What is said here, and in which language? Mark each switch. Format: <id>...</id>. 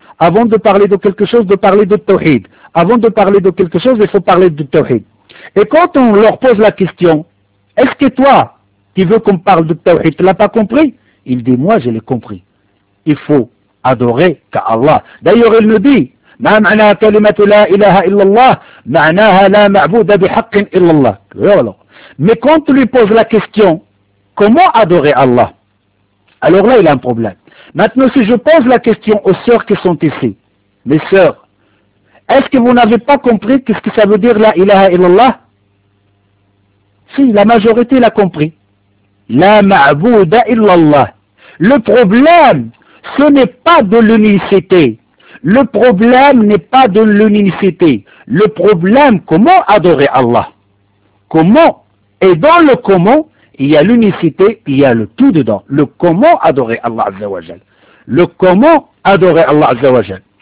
<fr>Avant de parler de quelque chose, de parler du tawhid. Avant de parler de quelque chose, il faut parler du tawhid. Et quand on leur pose la question, est-ce que toi, qui veux qu'on parle du tawhid, tu l'as pas compris? Il dit, moi, je l'ai compris. Il faut adorer qu'à Allah. D'ailleurs, il nous dit,</fr> <ar>ما معنى كلمة لا إله إلا الله؟ معناها لا معبود بحق إلا الله.</ar> <fr>Mais quand tu lui poses la question, comment adorer Allah? Alors là, il a un problème. Maintenant, si je pose la question aux sœurs qui sont ici, mes sœurs, est-ce que vous n'avez pas compris qu'est-ce que ça veut dire la ilaha illallah? Si, la majorité l'a compris.</fr> <ar>La معبود إلا الله.</ar> <fr>Le problème, ce n'est pas de l'unicité. Le problème n'est pas de l'unicité. Le problème, comment adorer Allah? Comment? Et dans le comment, il y a l'unicité, il y a le tout dedans. Le comment adorer Allah Azza wa Jal. Le comment adorer Allah Azza wa Jal.</fr>